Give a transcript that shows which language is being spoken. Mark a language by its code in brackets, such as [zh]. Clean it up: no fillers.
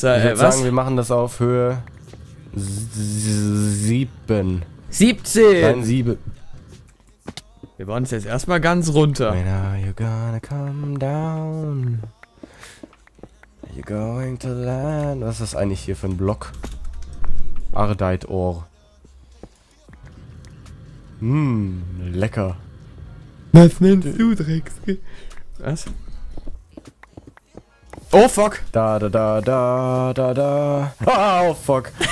[de] Sagen, wir machen das auf Höhe 7. 17! Nein, 7. Wir bauen es jetzt erstmal ganz runter. [en] When are you gonna come down? Are you going to land? [de] Was ist das eigentlich hier für ein Block? Ardite Ore. Lecker. Was nennst du, Drecksge? Was? Oh fuck! Da. Ah, oh fuck!